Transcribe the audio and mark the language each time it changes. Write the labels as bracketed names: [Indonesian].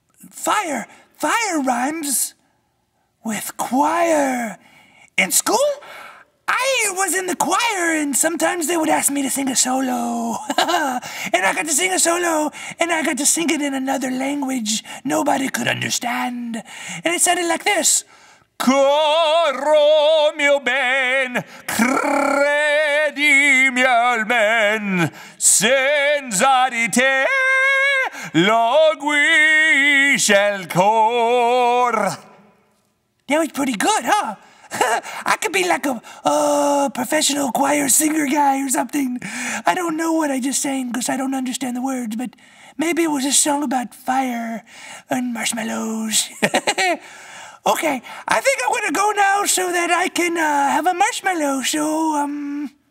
[English] Fire rhymes with choir. In school, I was in the choir, and sometimes they would ask me to sing a solo. And I got to sing a solo, and I got to sing it in another language nobody could understand. And it sounded like this. [Italian] Caro mio ben, credimi almen, senza di te languisce il cor. [English] That was pretty good, huh? I could be like a professional choir singer guy or something. I don't know what I just sang because I don't understand the words, but maybe it was a song about fire and marshmallows. Okay, I think I'm gonna go now so that I can have a marshmallow. So,